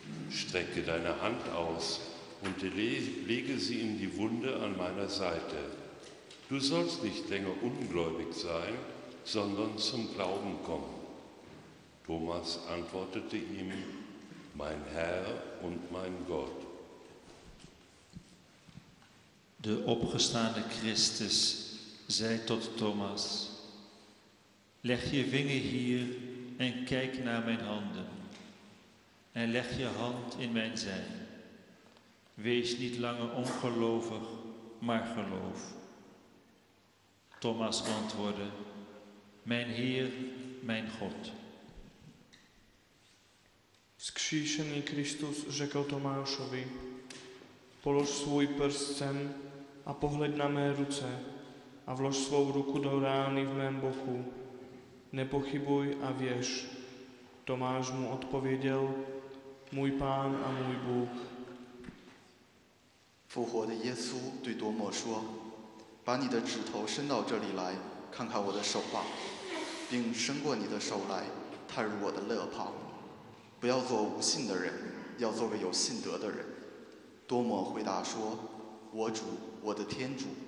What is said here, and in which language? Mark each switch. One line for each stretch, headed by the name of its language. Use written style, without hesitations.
German: Strecke deine Hand aus und lege sie in die Wunde an meiner Seite. Du sollst nicht länger ungläubig sein, sondern zum Glauben kommen. Thomas antwortete ihm, mein Herr und mein Gott.
Dutch: Der opgestaande Christus zei tot Thomas, leg je vinger hier en kijk naar mijn handen. En leg je hand in mijn zij. Wees niet langer ongelovig, maar geloof. Thomas antwoordde, mijn Heer, mijn God.
Czech: Vzkříšený Kristus řekl Tomášovi, polož svůj prst sem a pohled na mé ruce a vlož svou ruku do rány v mém boku. Nepochybuj a věř. Tomáš mu odpověděl, můj pán a můj Bůh.
Chinese: 复活的耶稣对多默说, 把你的指头伸到这里来, 看看我的手吧, 并伸过你的手来, 踏入我的肋旁, 不要做无信的人, 要做个有信德的人。多默回答说, 我主, 我的天主。